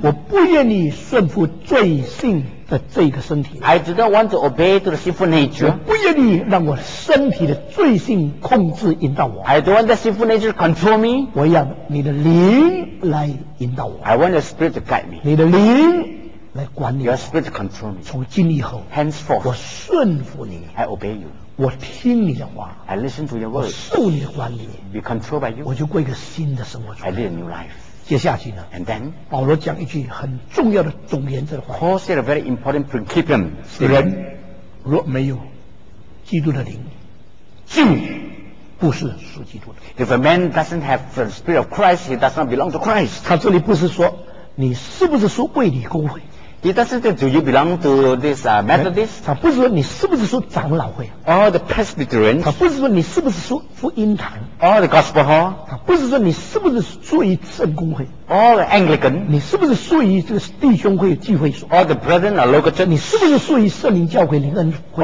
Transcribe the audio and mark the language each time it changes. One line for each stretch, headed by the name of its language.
Chinese: 我不愿意顺服罪性的这个身体。
English: I do not want to obey to the sinful nature.
Chinese: 我不愿意让我身体的罪性控制引导我。
English: I don't want the sinful nature to control me.
Chinese: 我要你的灵来引导我。
English: I want the spirit to guide me.
Chinese: 你的灵来管理我。
English: Your spirit to control me.
Chinese: 从今以后，
English: Henceforth,
Chinese: 我顺服你。
English: I obey you.
Chinese: 我听你的话。
English: I listen to your words.
Chinese: 我受你的管理。
English: Be controlled by you.
Chinese: 我就过一个新的生活出来。
English: I live a new life.
Chinese: 接下去呢？
English: And then,
Chinese: 保罗讲一句很重要的总言这话。
English: Paul said a very important principle.
Chinese: 人若没有基督的灵，就不是属基督的。
English: If a man doesn't have the spirit of Christ, he does not belong to Christ.
Chinese: 他这里不是说你是不是属卫理公会。
English: He doesn't say, do you belong to this Methodist?
Chinese: 他不是说你是不是属长老会。
English: Or the Presbyterians?
Chinese: 他不是说你是不是属福音堂。
English: Or the Gospel Hall?
Chinese: 他不是说你是不是属于圣公会。
English: Or the Anglican?
Chinese: 你是不是属于这个弟兄会聚会所。
English: Or the Brethren or Local Church?
Chinese: 你是不是属于圣灵教会灵恩会。